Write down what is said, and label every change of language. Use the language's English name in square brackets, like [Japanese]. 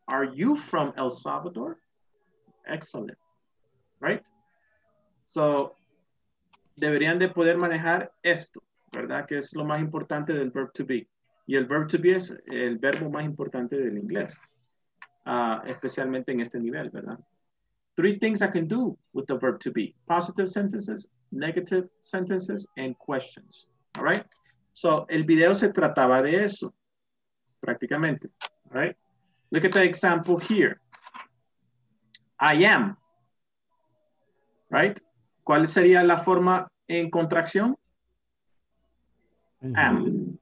[English] Are you from El Salvador? Excellent. Right? [Spanish] So, deberían de poder manejar esto, ¿verdad? Que es lo más importante del verb to be. Y el verb to be es el verbo más importante del inglés, especialmente en este nivel, ¿verdad? [English] Three things I can do with the verb to be. Positive sentences, negative sentences, and questions. All right? [Spanish] So, el video se trataba de eso, prácticamente. [English] All right? Look at the example here. I am. Right? [Spanish] ¿Cuál sería la forma en contracción? Am.